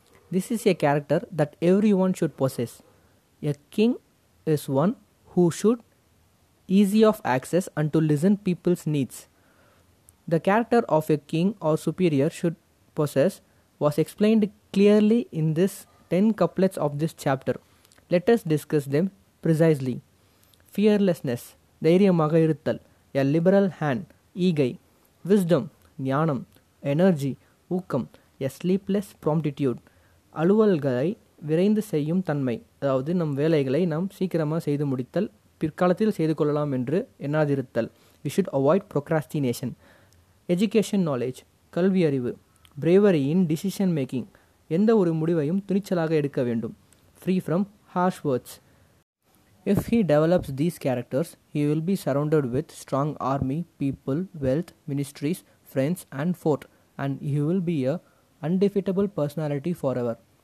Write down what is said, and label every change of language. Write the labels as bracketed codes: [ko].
[en] This is a character that everyone should possess. A king is one who should easy of access and to listen people's needs. The character of a king or superior should possess was explained clearly in this 10 couplets of this chapter. Let us discuss them precisely. Fearlessness, [ta] தைரியமாக இருத்தல், [en] a liberal hand, ஈகை. Wisdom, ஞானம், energy, ஊக்கம், a sleepless promptitude. [ta] அலுவல்களை விரைந்து செய்யும் தன்மை, அதாவது நம் வேலைகளை நாம் சீக்கிரமாக செய்து முடித்தல், பிற்காலத்தில் செய்து கொள்ளலாம் என்று எண்ணாதிருத்தல். [en] We should avoid procrastination. Education knowledge, [ta] கல்வி அறிவு. [en] Bravery in decision making, [ta] எந்த ஒரு முடிவையும் துணிச்சலாக எடுக்க வேண்டும். [en] Free from harsh words. If he develops these characters, he will be surrounded with strong army, people, wealth, ministries, friends and fort, and he will be a undefeatable personality forever.